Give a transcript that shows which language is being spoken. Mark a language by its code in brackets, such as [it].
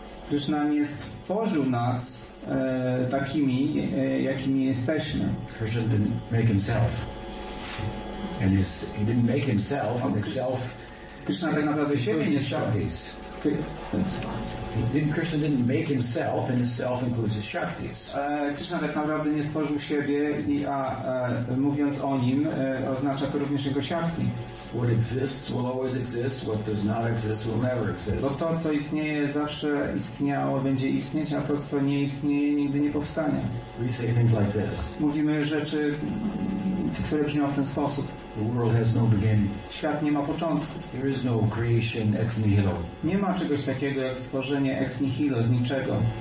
[pl] Krishna nie stworzył nas takimi, jakimi jesteśmy. [en] Krishna didn't make himself. And he didn't make himself, and his self. [pl] Krishna tak naprawdę siebie nie stworzył. [en] Krishna didn't make himself, and his self includes his shaktis. [pl] Krishna tak naprawdę nie stworzył siebie, mówiąc o nim, oznacza to również jego shakti. [en] What exists will always exist, what does not exist will never exist. [pl] Bo to, co istnieje, zawsze istniało, będzie istnieć, a to, co nie istnieje, nigdy nie powstanie. [en] We say things like this. [pl] Mówimy rzeczy, które brzmią w ten sposób. [en] The world has no beginning. [pl] Świat nie ma początku. [en] There is no creation ex nihilo. [pl] Nie ma czegoś takiego jak stworzenie ex nihilo, z niczego.